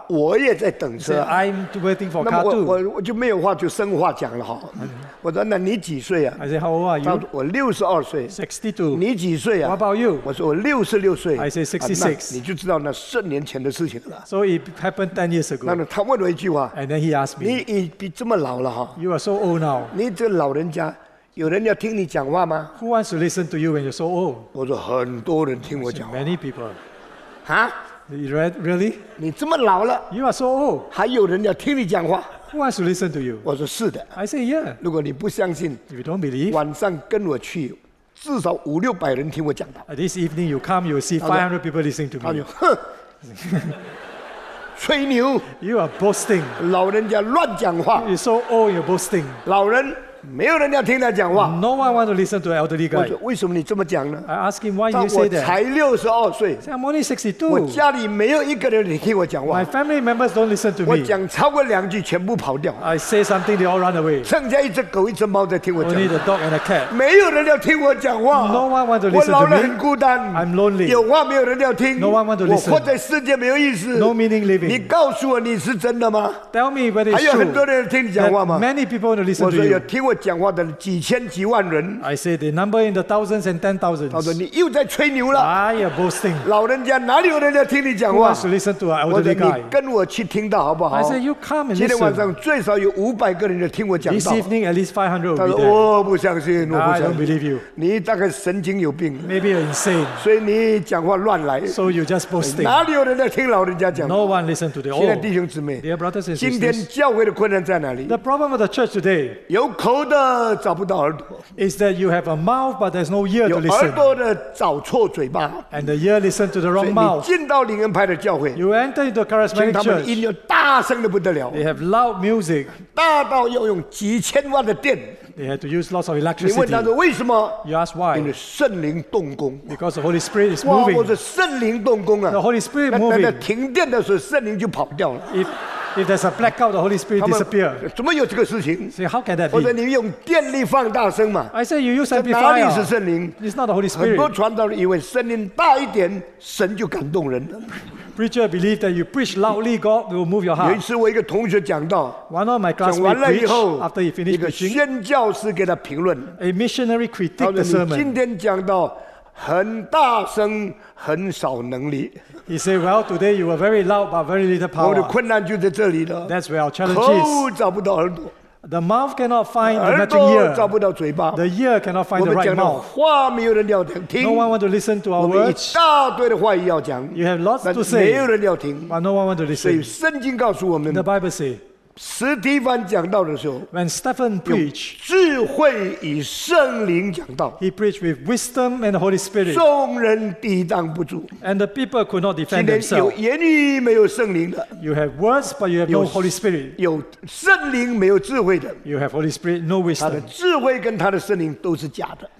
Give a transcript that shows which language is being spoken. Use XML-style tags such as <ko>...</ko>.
<zh>我也在等车。</zh> <en>I'm waiting for car too.</en> <zh>我就没有话就生话讲了哈。我说那你几岁啊</zh> <en>I said, how old are you?</en> <zh>我62岁</zh> <en>62.</en> <zh>你几岁啊</zh> <en>What about you?</en> <zh>我说我66岁</zh> <en>I said, 66.</en> <zh>你就知道那十年前的事情了</zh> <en>So it happened 10 years ago.</en> <zh>那他问我一句话</zh> <en>And then he asked me,</en> <zh>你这么老了</zh> <en>You are so old now.</en> <zh>你这老人家有人要听你讲话吗</zh> <en>Who wants to listen to you when you're so old?</en> <zh>我说很多人听我讲话</zh> <en>Many people. 哈 Really?</en> <zh>你这么老了</zh> <en>You are so old.</en> <zh>还有人要听你讲话</zh> <en>Who wants to listen to you?</en> <zh>我说是的。</zh> <en>I say yeah.</en> <zh>如果你不相信</zh> <en>If you don't believe,</en> <zh>晚上跟我去，至少五六百人听我讲道。</zh> <en>This evening you come, you see 500 people listening to me.</en> <zh>他说，哼，吹牛。</zh> <en>You are boasting.</en> <zh>老人家乱讲话。</zh> <en>You're so old, you're boasting.</en> <zh>老人没有人要听他讲话。</zh> <en>No one wants to listen to an elderly guy.</en> <zh>我说为什么你这么讲呢</zh> <en>？I ask him why you say that.</en> <zh>我才62岁。</zh> <en>I'm only 62.</en> <zh>我家里没有一个人听我讲话。</zh> <en>My family members don't listen to me.</en> <zh>我讲超过两句全部跑掉。</zh> <en>I say something, they all run away.</en> <zh>剩下一只狗一只猫在听我讲话。</zh> <en>Only the dog and the cat.</en> <zh>没有人要听我讲话。</zh> <en>No one wants to listen to me.</en> <zh>我老了很孤单。</zh> <en>I'm lonely.</en> <zh>有话没有人要听。</zh> <en>No one wants to listen.</en> <zh>我活在世界没有意思。</zh> <en>No meaning living.</en> <zh>你告诉我你是真的吗</zh> <en>？Tell me whether it's true.</en> <zh>还有很多人听你讲话吗</zh> <en>？Many people want to listen to you.</en> <zh>我讲话的几千几万人</zh> <en>I say the number in the thousands and ten thousands</en> <zh>他说你又在吹牛了</zh> <en>I am boasting</en> <zh>老人家哪里有人家听你讲话</zh> <en>Who wants to listen to an elderly guy</en> <zh>我说你跟我去听到好不好</zh> <en>I say you come and listen</en> <zh>今天晚上最少有500个人听我讲道</zh> <en>This evening at least 500 will be there</en> <zh>他说我不相信</zh> <en>I don't believe you</en> <zh>你大概神经有病</zh> <en>Maybe you're insane</en> <zh>所以你讲话乱来</zh> <en>So you just boasting</en> <zh>哪里有人家听老人家讲</zh> <en>No one listen to the old</en> <zh>现在弟兄姊妹</zh> <en>Dear brothers and sisters</en> <zh>今天教会的困难在哪里</zh> <en>The problem of the church today</en> <zh>有口耳朵的找不到耳朵</zh> <en>is that you have a mouth but there's no ear to listen</en> <zh>有耳朵的找错嘴巴</zh> <en>and the ear listen to the wrong mouth</en> <zh>所以你进到灵恩派的教会</zh> <en>you enter into the charismatic church</en> <zh>请他们音乐大声得不得了</zh> <en>they have loud music</en> <zh>大到要用几千万的电</zh> <en>they had to use lots of electricity</en> <zh>你问他说为什么</zh> <en>you ask why</en> <zh>因为圣灵动工</zh> <en>because the Holy Spirit is moving</en> <zh>哇我说圣灵动工啊</zh> <en>the Holy Spirit moving</en> <zh>那停电的时候圣灵就跑掉了</zh> <en>If there's a blackout, the Holy Spirit disappears.</en> <zh>怎么有这个事情</zh> <en>Say, how can that be?</en> <zh>或者你用电力放大声嘛</zh> <en>I say, you use amplifier.</en> <zh>哪里是圣灵</zh> <en>It's not the Holy Spirit.</en> <zh>很多传道人以为声音大一点，神就感动人了。</zh> <en>Preacher believe that you preach loudly, God will move your heart.</en> <zh>有一次我一个同学讲到</zh> <en>One of my classmates preached after he finished preaching.</en> <zh>一个宣教士给他评论</zh> <en>A missionary critique the sermon.</en> <zh>今天讲到很大声，很少能力。</zh> <en>He said, "Well, today you were very loud, but very little power."</en> <zh>我的困难就在这里了。</zh> <en>That's where our challenge is.</en> <zh>口找不到耳朵。</zh> <en>The mouth cannot find the magic ear.</en> <zh>耳朵找不到嘴巴。</zh> <en>The ear cannot find the right mouth.</en> <zh>我们讲的话没有人要听。</zh> <en>No one want to listen to our words.</en> <zh>我们一大堆的话语要讲。</zh> <en>You have lots to say.</en> <zh>没有人要听。</zh> <en>But no one want to listen.</en> <zh>所以圣经告诉我们。</zh> <en>The Bible say.</en> <zh>史蒂芬讲道的时候</zh> <en>，When Stephen preached，</en> <zh>智慧与圣灵讲道</zh> <en>，He preached with wisdom and the Holy Spirit，</en> <zh>众人抵挡不住</zh> <en>，And the people could not defend themselves。</en> <zh>今天有言语没有圣灵的</zh> <en>，You have words but you have no Holy Spirit。</en> <zh>有圣灵没有智慧的</zh> <en>，You have Holy Spirit no wisdom。</en> <zh>他的智慧跟他的圣灵都是假的</zh>